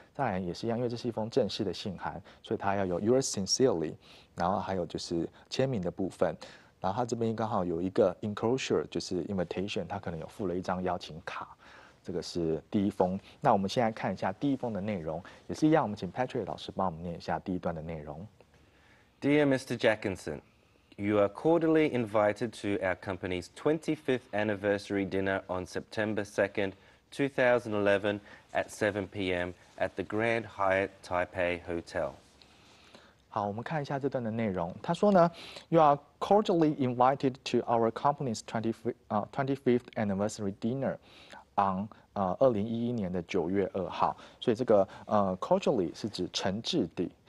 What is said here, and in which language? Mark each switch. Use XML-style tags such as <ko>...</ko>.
<zh>再来也是一样，因为这是一封正式的信函，所以它要有 yours sincerely， 然后还有就是签名的部分。然后它这边刚好有一个 enclosure， 就是 invitation， 它可能有附了一张邀请卡。这个是第一封。那我们现在看一下第一封的内容，也是一样，我们请 Patrick 老师帮我们念一下第一段的内容。</zh> <en>Dear Mr. Jackinson。 You are cordially invited to our company's 25th anniversary dinner on September 2nd, 2011 at 7 p.m. at the Grand Hyatt Taipei Hotel.</en> <zh>好，我们看一下这段的内容。他说呢</zh> <en>，You are cordially invited to our company's 25th anniversary dinner on</en> <zh>2011年的9月2号。所以这个cordially 是指诚挚的。</zh>